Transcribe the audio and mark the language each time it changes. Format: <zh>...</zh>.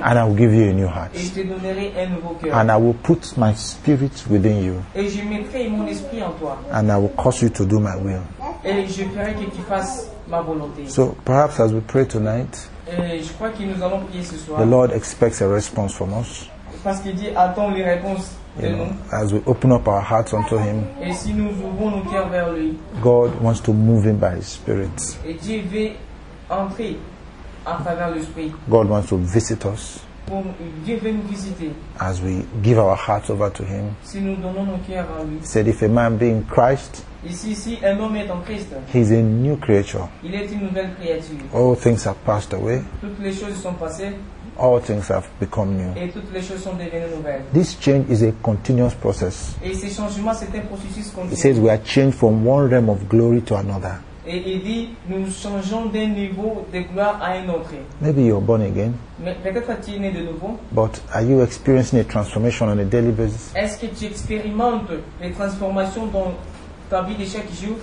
<en>And I will give you a new heart.</en> <fr>Et je te donnerai un nouveau cœur.</fr> <en>And I will put my spirit within you.</en> <fr>Et je mettrai mon esprit en toi.</fr> <en>And I will cause you to do my will.</en> <fr>Et je ferai que tu fasses ma volonté.</fr> <en>So perhaps as we pray tonight,</en> <fr>je crois que nous allons prier ce soir,</fr> <en>the Lord expects a response from us.</en> <fr>Parce qu'il dit, attends les réponses de nous.</fr> <en>As we open up our hearts unto him,</en> <fr>et si nous ouvrons nos cœurs vers lui,</fr> <en>God wants to move him by his spirit.</en> <fr>Et Dieu veut entrer à travers l'esprit.</fr> <en>God wants to visit us.</en> <fr>Dieu veut nous visiter.</fr> <en>As we give our hearts over to him,</en> <fr>si nous donnons nos cœurs à lui,</fr> <en>said if a man be in Christ,</en> <fr>si un homme est en Christ,</fr> <en>he is a new creature.</en> <fr>Il est une nouvelle créature.</fr> <en>All things have passed away.</en> <fr>Toutes les choses sont passées.</fr> <en>All things have become new.</en> <fr>Et toutes les choses sont devenues nouvelles.</fr> <en>This change is a continuous process.</en> <fr>Et ces changements, c'est un processus continu.</fr> <en>It says we are changed from one realm of glory to another.</en> <fr>Et il dit, nous changeons d'un niveau de gloire à un autre.</fr> <en>Maybe you are born again.</en> <fr>Mais peut-être as-tu né de nouveau.</fr> <en>But are you experiencing a transformation on a daily basis?</en> <fr>Est-ce que tu expérimentes les transformations dans ta vie de chaque jour?</fr>